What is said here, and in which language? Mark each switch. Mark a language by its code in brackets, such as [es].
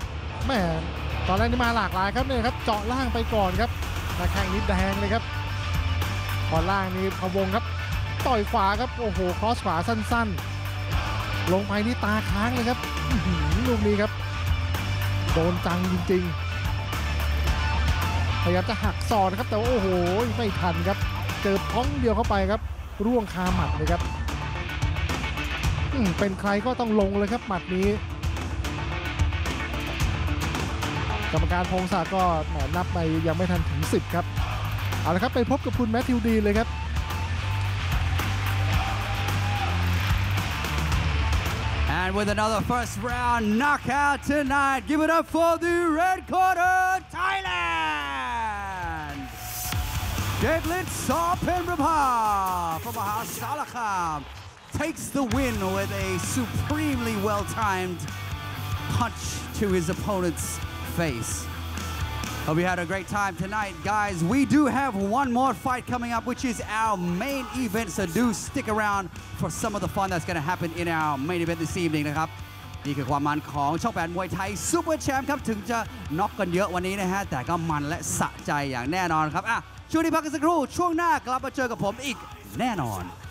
[th] แม่ตอนแรกนี่มาหลากหลายครับเนี่ยครับเจาะล่างไปก่อนครับนักแข่งนิดแดงเลยครับตอนล่างนี่พะวงครับต่อยขวาครับโอ้โหครอสขวาสั้นๆลงไปนี่ตาค้างเลยครับลูกนี้ครับโดนจังจริงๆพยายามจะหักศอกครับแต่โอ้โหไม่ทันครับเจอพ้องเดียวเข้าไปครับร่วงคาหมัดเลยครับ เป็นใครก็ต้องลงเลยครับหมัดนี้กรรมการพงศักดิ์ก็แหมนับไปยังไม่ทันถึง10ครับเอาละครับไปพบกับคุณแมทธิวดีเลยครับ [en] and with another first round knockout tonight, give it up for the red corner, Thailand. Devlin Saw-Penrapa from Mahasalakam takes the win with a supremely well-timed punch to his opponent's face. Hope you had a great time tonight, guys. We do have one more fight coming up, which is our main event, so do stick around for some of the fun that's going to happen in our main event this evening, [th] นะครับนี่คือความมันของช่องแปดมวยไทยซูเปอร์แชมป์ครับถึงจะน็อกกันเยอะวันนี้นะฮะแต่ก็มันและสะใจอย่างแน่นอนครับอ่ะช่วงนี้พักกันสักครู่ช่วงหน้ากลับมาเจอกับผมอีกแน่นอน